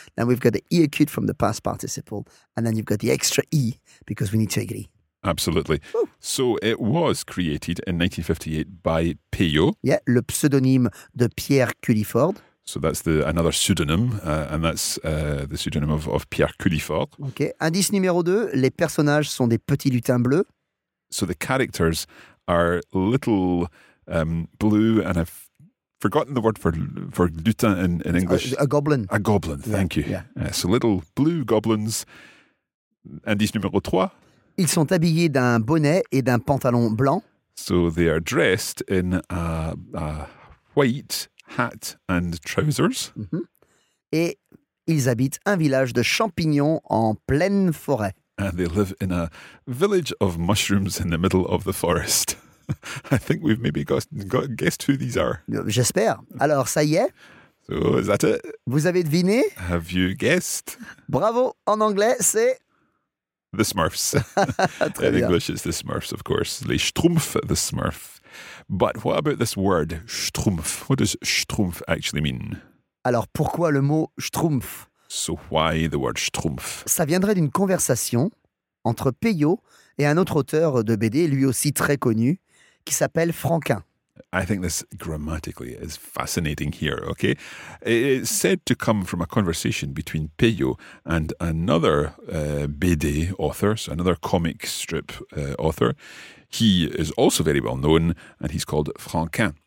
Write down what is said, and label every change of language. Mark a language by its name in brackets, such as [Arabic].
[English] Then we've got the E acute from the past participle. And then you've got the extra E because we need to agree. Absolutely. Ooh. So it was created in 1958 by Peyot. [French] Yeah, le pseudonyme de Pierre Culliford. [English] So that's another pseudonym, and that's the pseudonym of Pierre Culliford. Okay. [French] Indice numéro 2, les personnages sont des petits lutins bleus. [English] So the characters are little blue, and I've forgotten the word for lutin in English. A goblin. A goblin, thank you. Yeah. So little blue goblins. [French] Indice numéro 3. Ils sont habillés d'un bonnet et d'un pantalon blanc. [English] So they are dressed in a white hat and trousers. Mm-hmm. [French] Et ils habitent un village de champignons en pleine forêt. [English] And they live in a village of mushrooms in the middle of the forest. I think we've maybe guessed who these are. [French] J'espère. Alors, ça y est. [English] So is that it? [French] Vous avez deviné? [English] Have you guessed? [French] Bravo. [English] En anglais, c'est... The Smurfs. In English, it's the Smurfs, of course. Les Schtroumpfs, the Smurf. But what about this word, Schtroumpf? What does Schtroumpf actually mean? [French] Alors, pourquoi le mot Schtroumpf? [English] So why the word Schtroumpf? [French] Ça viendrait d'une conversation entre Peyot et un autre auteur de BD, lui aussi très connu, qui s'appelle Franquin. [English] I think this grammatically is fascinating here, okay? It's said to come from a conversation between Peyot and another BD author, so another comic strip author. He is also very well known, and he's called Franquin.